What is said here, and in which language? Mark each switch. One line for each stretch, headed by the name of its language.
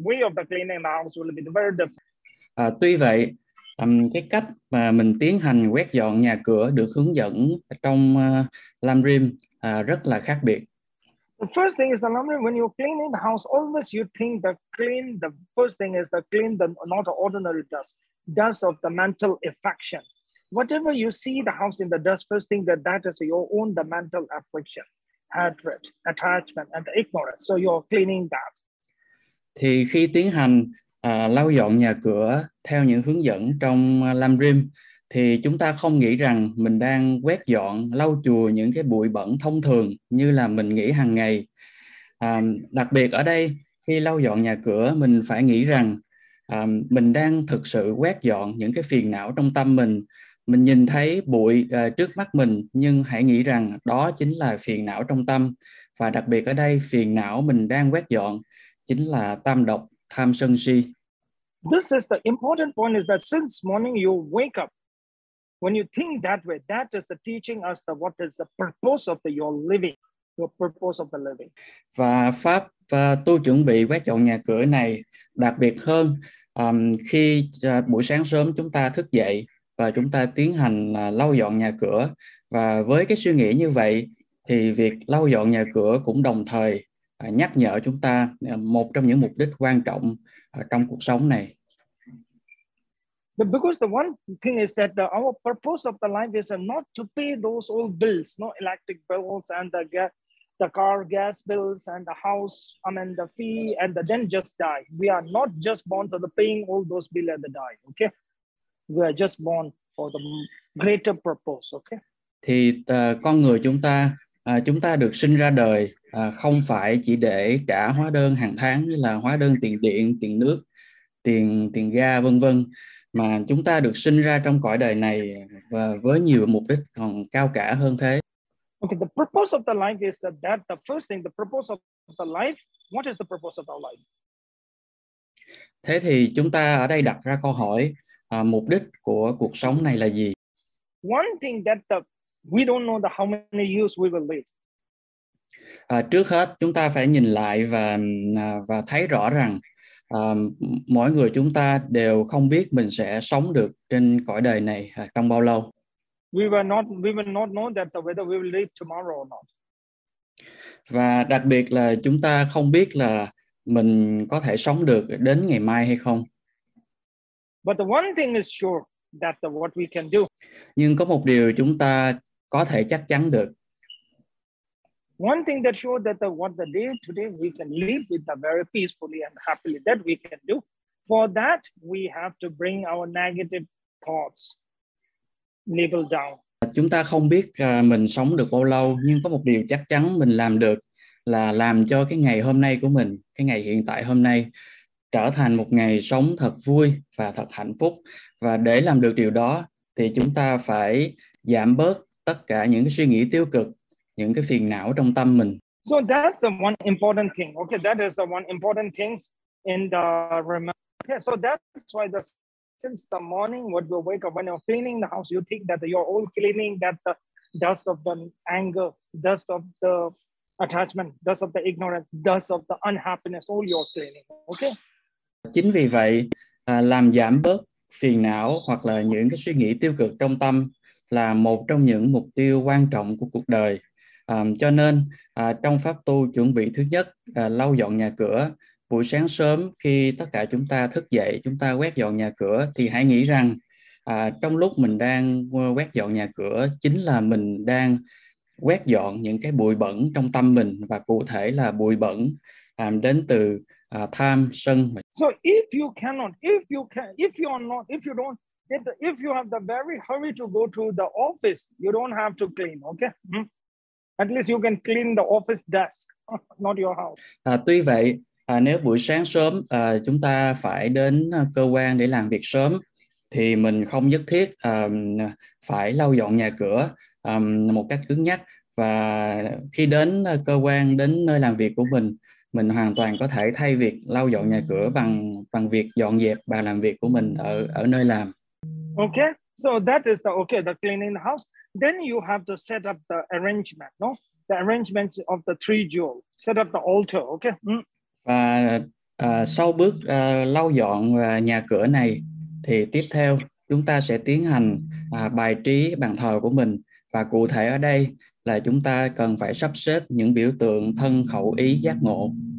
English: Way of the cleaning the house will be very different.
Vietnamese: Tuy vậy, cái cách mà mình tiến hành quét dọn nhà cửa được hướng dẫn trong Lamrim rất là khác biệt.
English: The first thing is the laundry. When you're cleaning the house, always you think that clean the first thing is the clean the not the ordinary dust, dust of the mental affection. Whatever you see the house in the dust, first thing that is your own the mental affliction, hatred, attachment, and ignorance. So you're cleaning that.
Vietnamese: Thì khi tiến hành lau dọn nhà cửa theo những hướng dẫn trong Lam Rim thì chúng ta không nghĩ rằng mình đang quét dọn lau chùi những cái bụi bẩn thông thường như là mình nghĩ hàng ngày. Đặc biệt ở đây khi lau dọn nhà cửa mình phải nghĩ rằng mình đang thực sự quét dọn những cái phiền não trong tâm mình. Mình nhìn thấy bụi trước mắt mình nhưng hãy nghĩ rằng đó chính là phiền não trong tâm, và đặc biệt ở đây phiền não mình đang quét dọn chính là tam độc tham sân si.
English: This is the important point, is that since morning you wake up, when you think that way, that is the teaching us the what is the purpose of the, your living, your purpose of the living.
Vietnamese: Và pháp tu chuẩn bị quét dọn nhà cửa này đặc biệt hơn khi buổi sáng sớm chúng ta thức dậy và chúng ta tiến hành lau dọn nhà cửa. Và với cái suy nghĩ như vậy thì việc lau dọn nhà cửa cũng đồng thời nhắc nhở chúng ta một trong những mục đích quan trọng trong cuộc sống này.
English: But because the one thing is that the, our purpose of the life is not to pay those old bills, no electric bills and the car gas bills and the house, I mean the fee and the, then just die. We are not just born for the paying all those bills and the die, okay? We are just born for the greater purpose, okay?
Vietnamese: Thì con người chúng ta được sinh ra đời không phải chỉ để trả hóa đơn hàng tháng như là hóa đơn tiền điện, tiền nước, tiền ga vân vân, mà chúng ta được sinh ra trong cõi đời này và với nhiều mục đích còn cao cả hơn thế.
English: Okay, the purpose of the life is that the first thing, the purpose of the life, what is the purpose of our life?
Vietnamese: Thế thì chúng ta ở đây đặt ra câu hỏi, mục đích của cuộc sống này là gì?
English: One thing that the, we don't know the how many years we will live.
Vietnamese: Trước hết chúng ta phải nhìn lại và thấy rõ rằng mỗi người chúng ta đều không biết mình sẽ sống được trên cõi đời này trong bao lâu.
English: We will not know that whether we will live tomorrow or not.
Vietnamese: Và đặc biệt là chúng ta không biết là mình có thể sống được đến ngày mai hay không.
English: But the one thing is sure that the, what we can do.
Vietnamese: Nhưng có một điều chúng ta có thể chắc chắn được.
English: One thing that shows that the, what the day today we can live with the very peacefully and happily that we can do. For that we have to bring our negative thoughts level down.
Vietnamese: Chúng ta không biết mình sống được bao lâu, nhưng có một điều chắc chắn mình làm được là làm cho cái ngày hôm nay của mình, cái ngày hiện tại hôm nay trở thành một ngày sống thật vui và thật hạnh phúc. Và để làm được điều đó thì chúng ta phải giảm bớt tất cả những cái suy nghĩ tiêu cực, những cái phiền não trong tâm mình.
English: So that's the one important thing. Okay, that is the one important things in the remember. Okay, so that's why the since the morning when you wake up, when you're cleaning the house, you think that you're all cleaning that the dust of the anger, dust of the attachment, dust of the ignorance, dust of the unhappiness, all you're cleaning. Okay.
Vietnamese: Chính vì vậy, làm giảm bớt phiền não hoặc là những cái suy nghĩ tiêu cực trong tâm là một trong những mục tiêu quan trọng của cuộc đời. Cho nên trong pháp tu chuẩn bị thứ nhất, lau dọn nhà cửa, buổi sáng sớm khi tất cả chúng ta thức dậy, chúng ta quét dọn nhà cửa, thì hãy nghĩ rằng trong lúc mình đang quét dọn nhà cửa, chính là mình đang quét dọn những cái bụi bẩn trong tâm mình, và cụ thể là bụi bẩn đến từ tham, sân.
English: So if you cannot, if you can, if you are not, if you don't, if you have the very hurry to go to the office, you don't have to clean, okay? At least you can clean the office desk, not your house.
Vietnamese: Tuy vậy, nếu buổi sáng sớm chúng ta phải đến cơ quan để làm việc sớm, thì mình không nhất thiết phải lau dọn nhà cửa một cách cứng nhắc. Và khi đến cơ quan, đến nơi làm việc của mình hoàn toàn có thể thay việc lau dọn nhà cửa bằng việc dọn dẹp bàn làm việc của mình ở nơi làm.
English: Okay, so that is the okay, the cleaning the house. Then you have to set up the arrangement, no? The arrangement of the three jewels. Set up the altar, okay?
Vietnamese: Và sau bước lau dọn nhà cửa này, thì tiếp theo chúng ta sẽ tiến hành bài trí bàn thờ của mình. Và cụ thể ở đây là chúng ta cần phải sắp xếp những biểu tượng thân, khẩu, ý, giác ngộ.